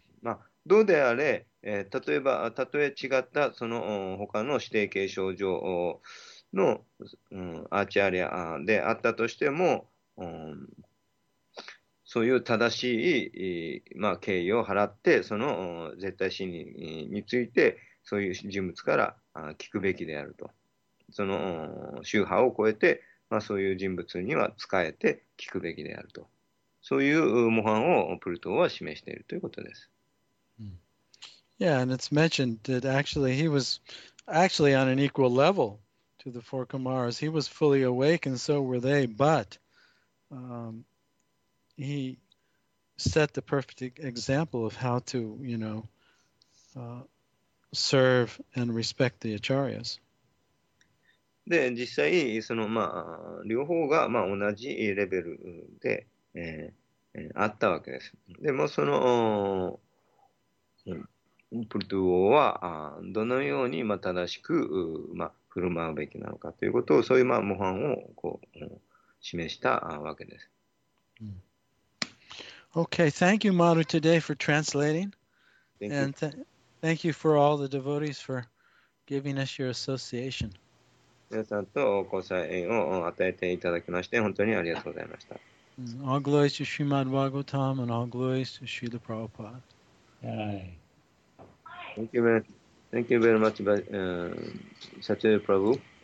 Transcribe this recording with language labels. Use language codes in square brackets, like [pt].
[ja] まあ、どうであれ、例え違ったその他の指定継承上の、アーチャリアであったとしても、そういう正しい、まあ、敬意を払って、その絶対真理について、そういう人物から聞くべきであると。その宗派を超えて、まあ、そういう人物には仕えて聞くべきであると。そういう模範をプルトーは示しているということです。 [en] Yeah, and it's mentioned that actually he was actually on an equal level to the four Kumaras. He was fully awake and so were they, but he set the perfect example of how to, you know, serve and respect the Acharyas. [ja] で、実際、その、まあ、両方が、まあ、同じレベルで、あったわけです。でも、その、プルトゥ王は、どのように、まあ、正しく、まあ、振る舞うべきなのかということを、そういう、まあ、模範を、こう、示したわけです。 [en] Okay, thank you, Maru, today for translating. Thank you. Thank you for all the devotees for giving us your association. [ja] 皆さんとお交際を与えていただきまして、本当にありがとうございました。 [en] All glories to Srimad Bhagavatam and all glories to Srila Prabhupada. Hi. Thank you very much, Sathya Prabhu.